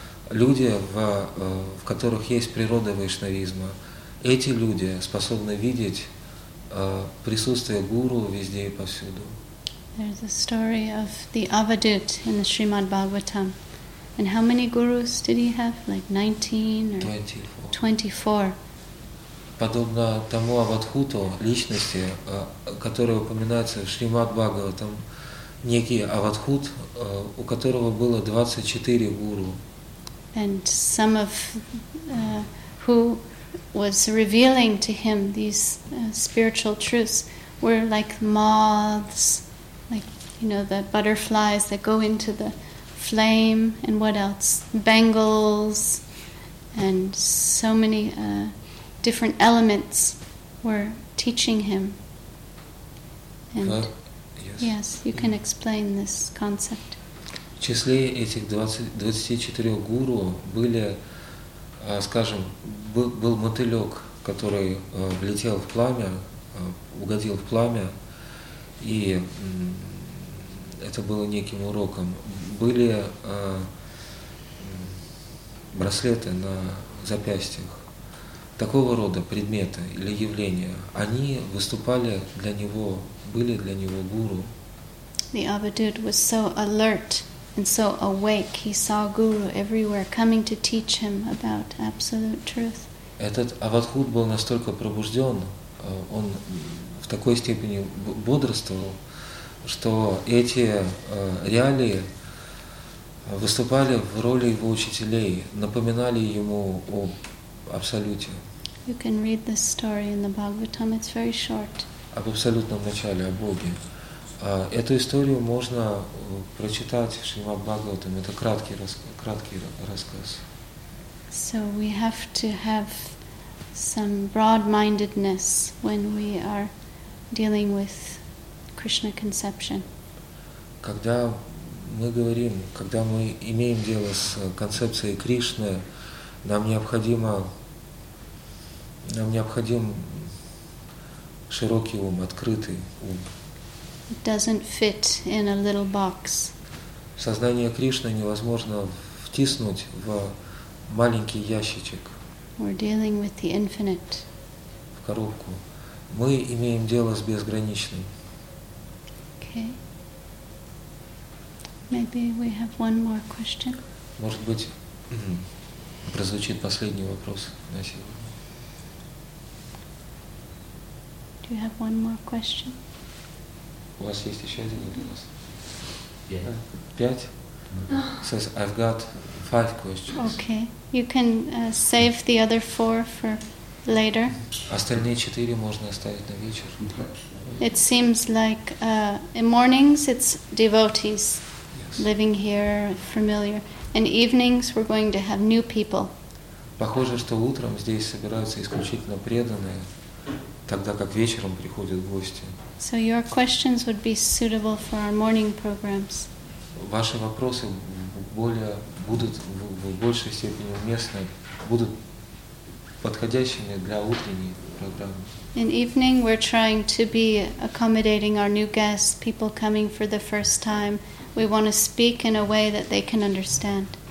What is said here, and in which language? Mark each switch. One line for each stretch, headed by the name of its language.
Russian: люди, в которых есть природа вайшнавизма, эти люди способны видеть присутствие гуру везде и повсюду.
English: There's a story of the Avadhut in the Srimad Bhagavatam. And how many gurus did he have? Like 19 or 24.
Russian: Подобно тому Авадхуту, личности, которая упоминается в Шримад Бхагаватам, некий Авадхут, у которого было 24 гуру.
English: And some of who was revealing to him these spiritual truths were like moths, like, you know, the butterflies that go into the flame, and what else? Bengals, and so many different elements were teaching him. And yes, you can explain this concept.
Russian: В числе этих 24 гуру были, скажем, был мотылек, который влетел в пламя, угодил в пламя, и это было неким уроком. Были браслеты на запястьях, такого рода предметы или явления. Они выступали для него, были для него гуру.
English: The Avadhut was so alert and so awake, he saw guru everywhere coming to teach him about absolute truth.
Russian: Этот Авадхут был настолько пробужден, он в такой степени бодрствовал, что эти реалии выступали в роли его учителей, напоминали ему о Абсолюте.
English: You can read this story in the Bhagavatam. It's very short.
Russian: Об Абсолютном начале, о Боге. Эту историю можно прочитать в Шримад Бхагаватам. Это краткий рассказ.
English: So we have to have some broad-mindedness when we are dealing with Krishna conception.
Russian: Когда мы говорим, когда мы имеем дело с концепцией Кришны, нам необходим широкий ум, открытый ум.
English: It doesn't fit in a little box.
Russian: Сознание Кришны невозможно втиснуть в маленький ящичек.
English: We're dealing with the infinite.
Russian: В коробку. Мы имеем дело с безграничным.
English: Okay. Maybe we have one more question.
Russian: Может быть, прозвучит последний вопрос на сегодня.
English: Do you have one more question?
Russian: У вас есть еще один вопрос? Пять. Пять?
English: Says I've got five questions. Okay, you can save the other four for later.
Russian: Остальные четыре можно оставить на вечер.
English: It seems like in mornings it's devotees yes. living here, familiar. In evenings we're going to have new people.
Russian: Похоже, что утром здесь собираются исключительно преданные. Тогда как вечером приходят гости.
English: So your questions would be suitable for our morning programs.
Russian: Ваши вопросы более будут в большей степени уместны, будут подходящими для утренней программы.
English: In evening we're trying to be accommodating our new guests, people coming for the first time. We want to speak in a way that they can understand.